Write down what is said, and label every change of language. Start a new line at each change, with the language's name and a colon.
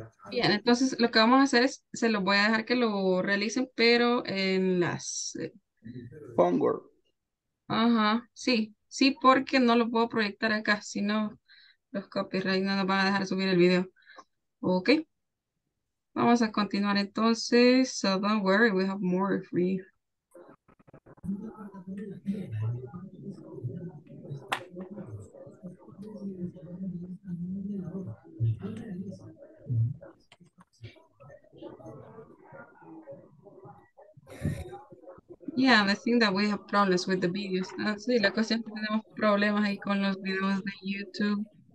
English: Bien, entonces lo que vamos a hacer es, se los voy a dejar que lo realicen, pero en las... Homework.
Spanish: Ajá, sí, porque no lo puedo proyectar acá, si no, los copyright no nos van a dejar subir el video.
English: Ok,
Spanish: vamos a continuar entonces,
English: so don't worry, we have more for you. Yeah, I think that we have problems with the videos.
Spanish: Sí, la cuestión es que tenemos problemas ahí con los videos de YouTube.